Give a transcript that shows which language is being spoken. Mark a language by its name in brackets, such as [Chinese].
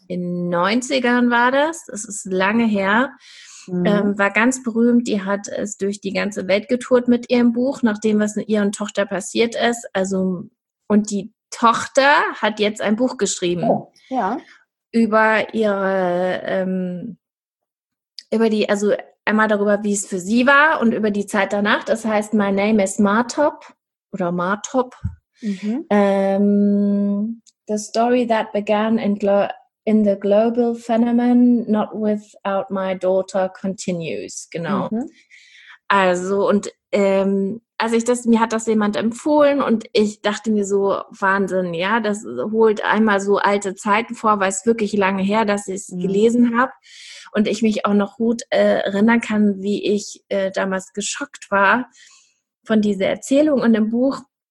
[German] In den 90ern war das, es ist lange her, war ganz berühmt, die hat es durch die ganze Welt getourt mit ihrem Buch, nachdem was mit ihrer Tochter passiert ist, also, und die Tochter hat jetzt ein Buch geschrieben. Oh, ja. Über ihre, also einmal darüber, wie es für sie war und über die Zeit danach. Das heißt, My Name is Martop oder Martop. Mhm. [English] The story that began in the global phenomenon, not without my daughter, continues. [German] Genau. Mhm. Also, und mir hat das jemand empfohlen und ich dachte mir so, Wahnsinn, ja, das holt einmal so alte Zeiten vor, weil es wirklich lange her, dass ich es gelesen habe. Und ich mich auch noch gut erinnern kann, wie ich damals geschockt war von dieser Erzählung und dem Buch.